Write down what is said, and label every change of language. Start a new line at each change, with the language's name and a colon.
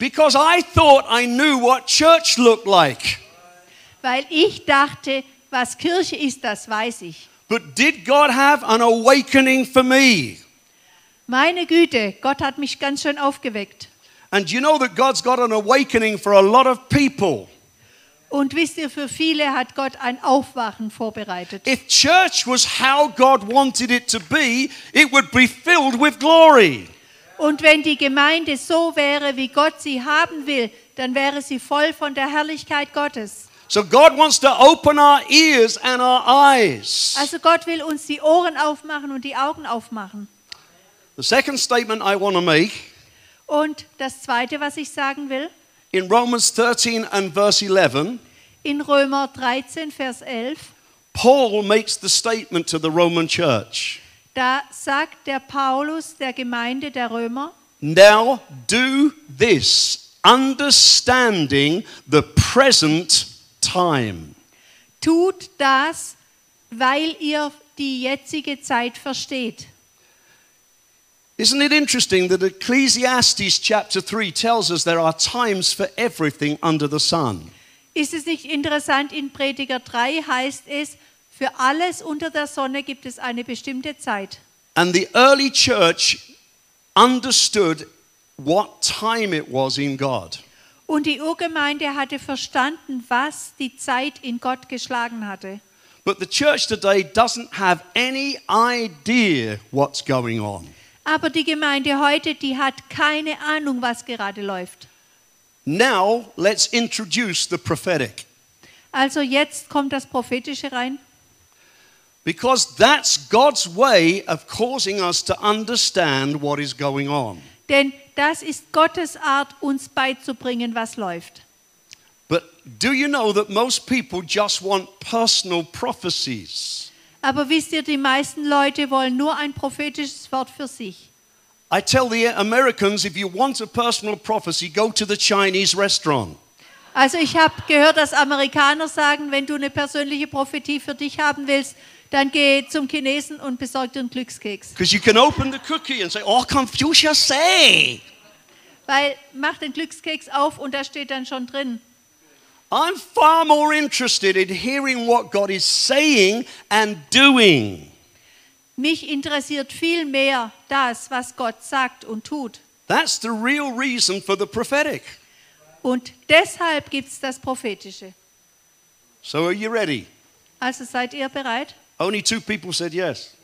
English: Because I thought I knew what church looked like.
German: Weil ich dachte, was Kirche ist, das weiß ich.
English: But did God have an awakening for me?
German: Meine Güte, Gott hat mich ganz schön aufgeweckt.
English: And you know that God's got an awakening for a lot of people.
German: Und wisst ihr, für viele hat Gott ein Aufwachen vorbereitet.
English: If church was how God wanted it to be, it would be filled with glory.
German: Und wenn die Gemeinde so wäre, wie Gott sie haben will, dann wäre sie voll von der Herrlichkeit Gottes.
English: So God wants to open our ears and our eyes.
German: Also Gott will uns die Ohren aufmachen und die Augen aufmachen.
English: The second statement I want to make.
German: Und das zweite, was ich sagen will.
English: In Romans 13 and verse 11.
German: In Römer 13 Vers 11.
English: Paul makes the statement to the Roman church.
German: Da sagt der Paulus der Gemeinde der Römer.
English: Now do this, understanding the present time.
German: Tut das, weil ihr die jetzige Zeit versteht.
English: Isn't it interesting that Ecclesiastes chapter 3 tells us there are times for everything under the sun?
German: Ist es nicht interessant, in Prediger 3 heißt es, für alles unter der Sonne gibt es eine bestimmte Zeit.
English: And the early church understood what time it was in God.
German: Und die Urgemeinde hatte verstanden, was die Zeit in Gott geschlagen hatte.
English: But the church today doesn't have any idea what's going on.
German: Aber die Gemeinde heute, die hat keine Ahnung, was gerade läuft.
English: Now let's introduce the prophetic.
German: Also jetzt kommt das Prophetische rein.
English: Because that's God's way of causing us to understand what is going on.
German: Denn das ist Gottes Art, uns beizubringen, was läuft.
English: But do you know that most people just want personal prophecies?
German: Aber wisst ihr, die meisten Leute wollen nur ein prophetisches Wort für sich.
English: I tell the Americans, if you want a personal prophecy, go to the Chinese restaurant.
German: Also ich habe gehört, dass Amerikaner sagen, wenn du eine persönliche Prophetie für dich haben willst, dann geh zum Chinesen und besorg dir einen Glückskeks.
English: Because you can open the cookie and say, oh, Confucius say.
German: Weil, mach den Glückskeks auf und da steht dann schon drin.
English: I'm far more interested in hearing what God is saying and doing.
German: Mich interessiert viel mehr das, was Gott sagt und tut.
English: That's the real reason for the prophetic.
German: Und deshalb gibt's das Prophetische.
English: So are you ready?
German: Also seid ihr bereit?
English: Only two people said yes.